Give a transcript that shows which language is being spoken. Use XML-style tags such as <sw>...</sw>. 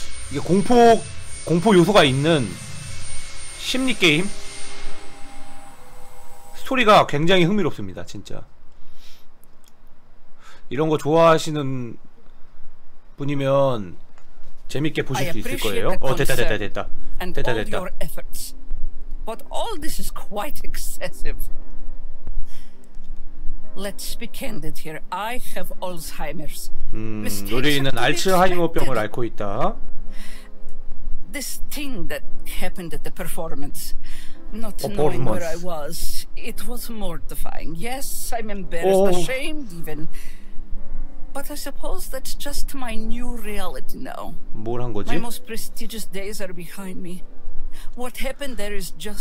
<ko>이게 공포 요소가 있는 심리 게임. 스토리가 굉장히 흥미롭습니다, 진짜. 이런 거 좋아하시는 분이면 재밌게 보실 수 있을 거예요. 어, 됐다.</ko> <en>Your efforts. But all this is quite excessive. Let's be candid here. I have Alzheimer's.</en> <ko>요리는 알츠하이머병을 앓고 있다.</ko> <en>This thing that happened at the performance. Not knowing where I was. It was mortifying. Yes, I'm embarrassed, ashamed even. But I suppose that's just my new reality now.</en> <ko>뭘 한 거지?</ko> <en>My most prestigious days are behind me. What happened there is just</en>